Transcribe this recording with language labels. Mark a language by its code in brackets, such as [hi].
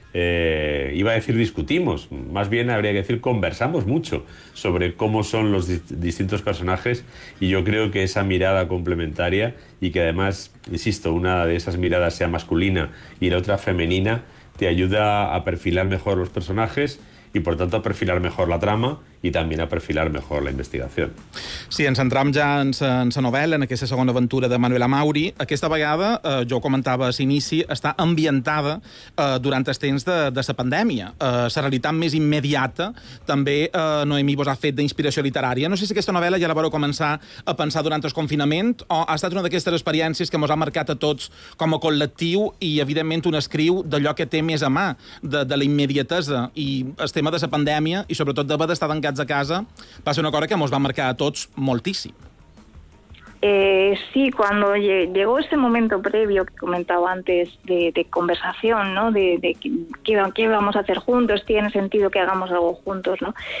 [es] iba a decir discutimos, más bien habría que decir conversamos mucho sobre cómo son los distintos personajes, y yo creo que esa mirada complementaria, y que además, insisto, una de esas miradas sea masculina y la otra femenina, te ayuda a perfilar mejor los personajes y por tanto a perfilar mejor la trama [ca] i també a perfilar millor la investigació. Sí, ens centrem ja en la novel·la, en aquesta segona aventura de Manuel Amauri. Aquesta vegada, jo ho comentava a l'inici, està ambientada durant els temps de la pandèmia. La realitat més immediata també, Noemí, vos ha fet d'inspiració literària. No sé si aquesta novel·la ja la vau començar a pensar durant el confinament o ha estat una d'aquestes experiències que mos ha marcat a tots com a col·lectiu i, evidentment, un escriu d'allò que té més a mà, de la immediatesa i el tema de la pandèmia i, sobretot, d'haver d'estar tancats a casa, va ser una cosa que ens va marcar a tots moltíssim. [es] Sí, cuando llegó ese momento previo que comentaba antes de conversación, ¿no? De qué vamos a hacer juntos, tiene sentido que hagamos algo juntos, ¿no?